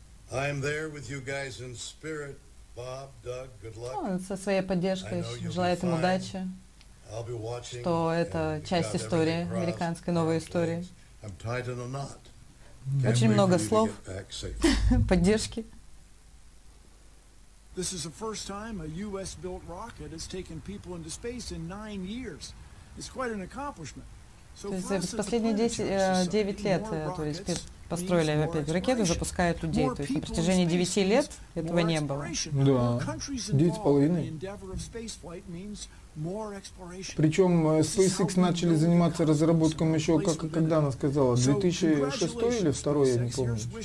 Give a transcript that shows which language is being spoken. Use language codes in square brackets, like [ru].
[en] I'm there with you guys in spirit. Bob, Doug, good luck. [ru] Он со своей поддержкой желает им удачи. [en] I'll be watching, [ru] что это часть истории, американской новой истории. [en] I'm tied in a knot. [ru] Очень много слов поддержки. [en] This is the first time a US-built rocket has taken people into space in 9 years. It's quite an accomplishment. [ru] За последние 9 лет, то есть построили опять ракету, запускают людей. То есть на протяжении 9 лет этого не было. Да, 9,5. Причем SpaceX начали заниматься разработкой еще, как и когда она сказала, 2006 или 2002, я не помню.